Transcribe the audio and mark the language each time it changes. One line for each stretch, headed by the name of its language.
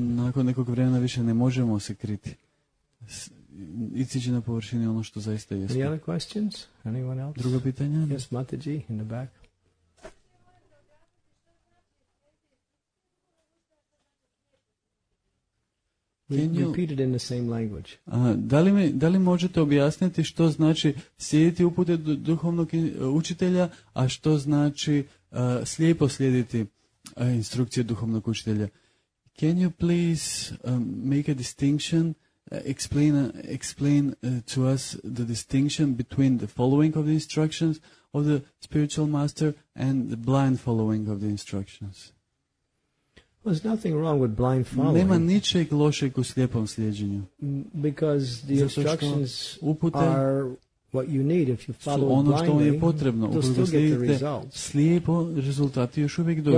Croatian: Nakon nekog vremena više ne možemo se kriti. Iciće na površini ono što zaista jeste.
English: Any other questions? Anyone else?
Croatian: Drugo pitanje?
English: Yes, Mataji, in the back. Repeated in the same language.
Croatian: Da li možete objasniti što znači slijediti upute duhovnog učitelja, a što znači slijepo slijediti instrukcije duhovnog učitelja?
English: Can you please make a distinction, explain to us the distinction between the following of the instructions of the spiritual master and the blind following of the instructions? There's nothing wrong with blind following.
Croatian: Nema ničeg lošeg u slijepom slijedjenju.
English: Because the instructions are what you need if you follow
Croatian: ono
English: blindly.
Croatian: Ono što je potrebno, ukoliko slijedite slijepo, rezultati još uvijek dođu.